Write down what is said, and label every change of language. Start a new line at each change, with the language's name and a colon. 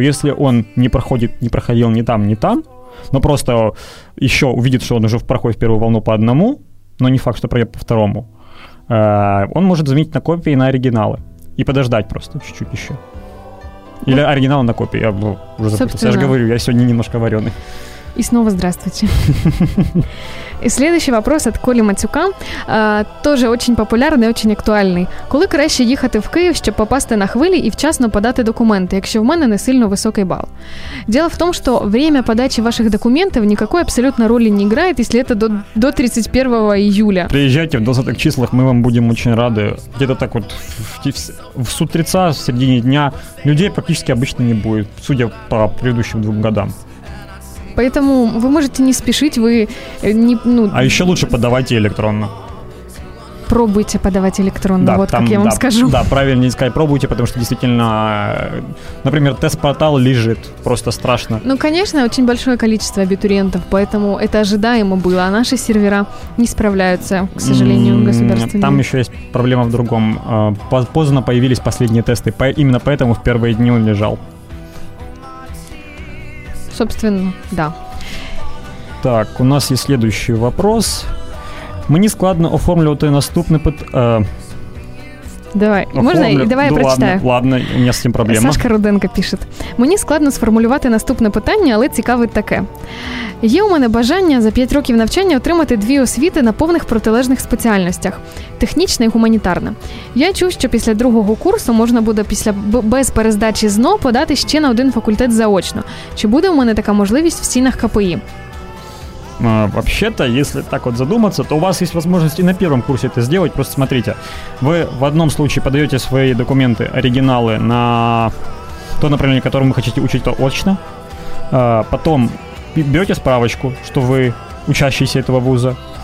Russian: Если он не проходит, не проходил ни там, ни там, но просто еще увидит, что он уже проходит первую волну по одному, но не факт, что пройдет по второму, он может заменить на копии и на оригиналы. И подождать просто чуть-чуть еще. Или оригинал на копии. Я уже запутался. Я же говорю, я сегодня немножко вареный. И снова здравствуйте. И следующий вопрос от Коли Матюка. Тоже очень популярный, очень актуальний.
Ukrainian: Коли краще їхати в Київ, щоб попасти на хвилі і вчасно подати документи, якщо в мене не сильно високий бал?
Russian: Дело в том, что время подачи ваших документов никакой абсолютно роли не играет, если это до 31 июля. Приезжайте в 20-х числах, мы вам будем очень рады. Где-то так вот в сутрица, в середине дня людей практически обычно не будет, судя по предыдущим двум годам. Поэтому вы можете не спешить, вы не... Ну, а еще лучше подавайте электронно. Пробуйте подавать электронно, да, вот там, как я вам скажу. Да, правильно не сказать, пробуйте, потому что действительно, например, тест-портал лежит, просто страшно. Ну, конечно, очень большое количество абитуриентов, поэтому это ожидаемо было, а наши сервера не справляются, к сожалению, государственные. Там еще есть проблема в другом. Поздно появились последние тесты, именно поэтому в первые дни он лежал. Собственно, да. Так, у нас есть следующий вопрос.
Ukrainian: Мені складно оформлювати наступний під... Давай, можна? Давай я прочитаю. Ладно, у мене з цим проблема. Сашка Руденко пише. Мені складно сформулювати наступне питання, але цікаве таке. Є у мене бажання за 5 років навчання отримати дві освіти на повних протилежних спеціальностях – технічна і гуманітарна. Я чув, що після другого курсу можна буде після без перездачі ЗНО подати ще на один факультет заочно. Чи буде у мене така можливість в стінах КПІ?
Russian: Вообще-то, если так вот задуматься, то у вас есть возможность и на первом курсе это сделать. Просто смотрите, вы в одном случае подаете свои документы, оригиналы на то направление, которое вы хотите учить, то очно. Потом берете справочку, что вы учащийся этого вуза.